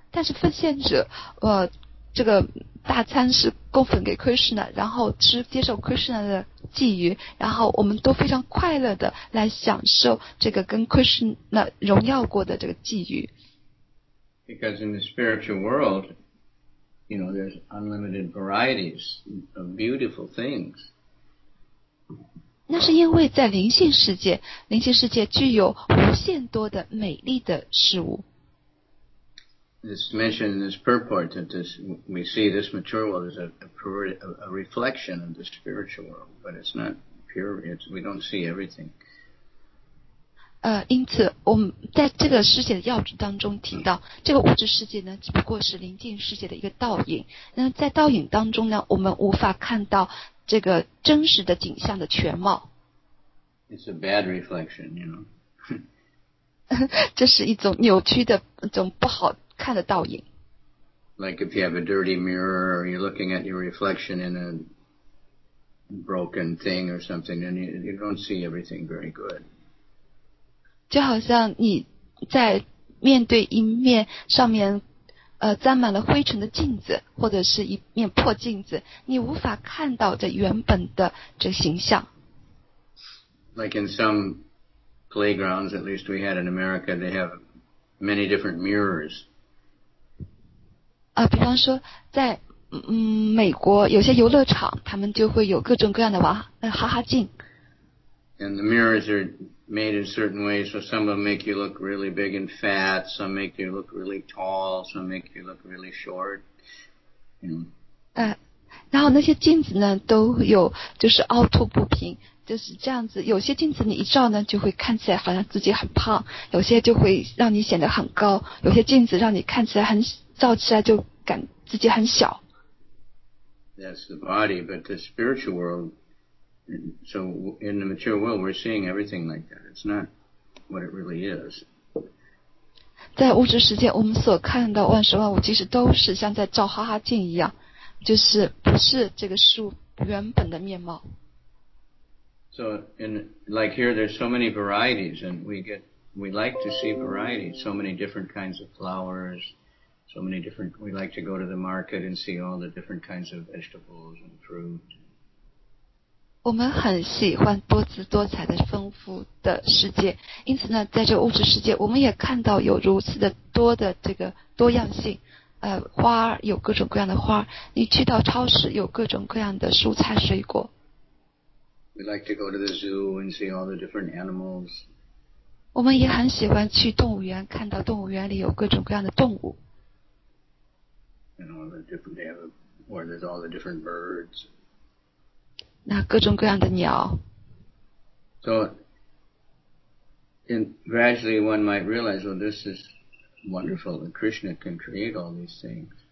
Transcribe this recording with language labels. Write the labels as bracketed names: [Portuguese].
[Chinese] 但是奉献者，这个大餐是供奉给 Krishna， 然后吃接受 Krishna 的寄语，然后我们都非常快乐的来享受这个跟 Krishna 荣耀过的这个寄语。 [English] Because in the spiritual world, you know, there's unlimited varieties of beautiful things. [Chinese] 那是因为在灵性世界，灵性世界具有无限多的美丽的事物。 [English] It's mentioned in this purport that this, we see this material world as a reflection of the spiritual world, but it's not pure, it's, we don't see everything. [Chinese] 因此我们在这个世界的要旨当中提到，这个物质世界呢只不过是灵性世界的一个倒影，那在倒影当中呢我们无法看到这个真实的景象的全貌。 [English] It's a bad reflection, you know. [Chinese] 这是一种扭曲的一种不好的看得倒影。 [English] Like if you have a dirty mirror or you're looking at your reflection in a broken thing or something, and you don't see everything very good. [Chinese] 就好像你在面对一面上面沾满了灰尘的镜子，或者是一面破镜子，你无法看到这原本的这形象。 [English] Like in some playgrounds, at least we had in America, they have many different mirrors. [Chinese] 比方说在美国有些游乐场，他们就会有各种各样的哈哈镜。 [English] And the mirrors are made in certain ways, so some of them make you look really big and fat, some make you look really tall, some make you look really short. You know. [Chinese] 然后那些镜子呢都有就是凹凸不平，就是这样子，有些镜子你一照呢就会看起来好像自己很胖，有些就会让你显得很高，有些镜子让你看起来很小，照起来就感自己很小。 [English] That's the body, but the spiritual world. So in the material world, we're seeing everything like that. It's not what it really is. [Chinese] 在物质世界，我们所看到万事万物，其实都是像在照哈哈镜一样，就是不是这个事物原本的面貌。 [English] So in like here, there's so many varieties, and we like to see variety. So many different kinds of flowers. So many different, we like to go to the market and see all the different kinds of vegetables and fruit. [Chinese] 我们很喜欢多姿多彩的丰富的世界，因此呢在这物质世界我们也看到有如此的多的这个多样性，花有各种各样的花，你去到超市有各种各样的蔬菜水果。 [English] We like to go to the zoo and see all the different animals. [Chinese] 我们也很喜欢去动物园，看到动物园里有各种各样的动物。 [English] And all the different, they have a, where there's all the different birds. [Chinese] 那各种各样的鸟。 [English] So, and gradually one might realize, well, this is wonderful that Krishna can create all these things.